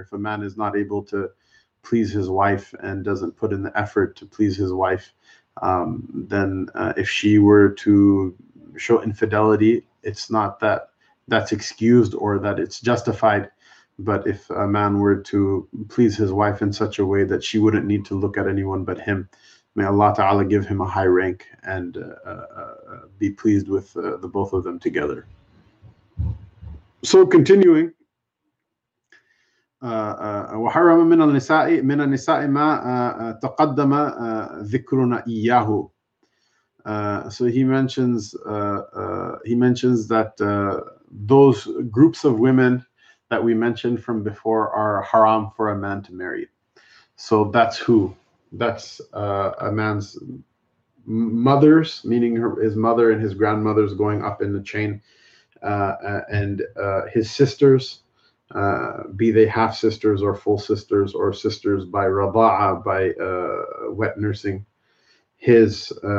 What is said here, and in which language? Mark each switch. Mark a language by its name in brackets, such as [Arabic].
[English] If a man is not able to please his wife and doesn't put in the effort to please his wife, then if she were to show infidelity, it's not that that's excused or that it's justified. But if a man were to please his wife in such a way that she wouldn't need to look at anyone but him, may Allah Ta'ala give him a high rank and be pleased with the both of them together. So continuing, [Arabic] وحرم من النساء ما تقدم ذكرنا إياه [English] So he mentions that those groups of women that we mentioned from before are haram for a man to marry. So that's who? That's a man's mothers, meaning his mother and his grandmothers going up in the chain, and his sisters, be they half sisters or full sisters or sisters by rada'a, by wet nursing, his